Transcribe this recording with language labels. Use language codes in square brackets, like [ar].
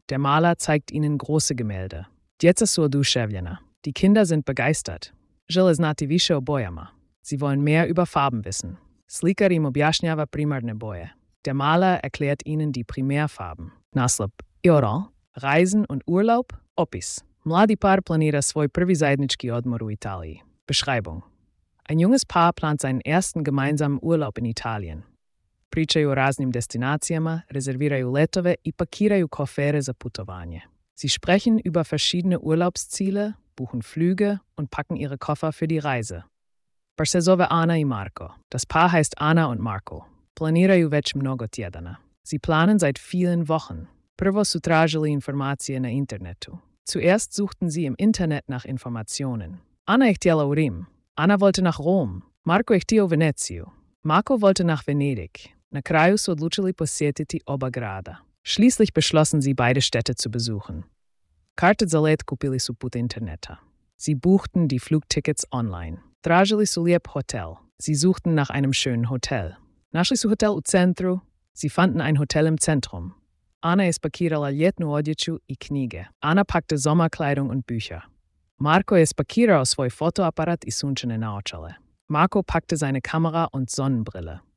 [de] Der Maler zeigt ihnen große Gemälde. [hr] Djeca su oduševljena. [de] Die Kinder sind begeistert. [hr] Žele znati više o bojama. [de] Sie wollen mehr über Farben wissen. [hr] Slikar im objašnjava primarne boje. [de] Der Maler erklärt ihnen die Primärfarben. Naslop. Ioro. Reisen und Urlaub. Opis. [hr] Mladi par planira svoj prvi zajednički odmor u Italiji. [de] Beschreibung. Ein junges Paar plant seinen ersten gemeinsamen Urlaub in Italien. [hr] Pričaju o raznim destinacijama, rezerviraju letove i pakiraju kofere za putovanje. [de] Sie sprechen über verschiedene Urlaubsziele, buchen Flüge und packen ihre Koffer für die Reise. [hr] Par se zove Ana i Marco. [de] Das Paar heißt Ana und Marco. [hr] Planiraju već mnogo tjedana. [de] Sie planen seit vielen Wochen. [hr] Prvo su tražili informacije na internetu. [de] Zuerst suchten sie im Internet nach Informationen. [hr] Ana je htjela u Rim. [de] Ana wollte nach Rom. [hr] Marco je htio u Veneciju. [de] Marco wollte nach Venedig. [hr] Na kraju su odlučili posjetiti oba grada. [de] Schließlich beschlossen sie, beide Städte zu besuchen. [hr] Karte za let kupili su put interneta. [de] Sie buchten die Flugtickets online. [hr] Tražili su lijep hotel. [de] Sie suchten nach einem schönen Hotel. [hr] Našli su hotel u centru. [de] Sie fanden ein Hotel im Zentrum. [hr] Ana je spakirala ljetnu odjeću i knjige. [de] Ana packte Sommerkleidung und Bücher. [hr] Marco je spakirao svoj fotoaparat i sunčene naočale. [de] Marco packte seine Kamera und Sonnenbrille.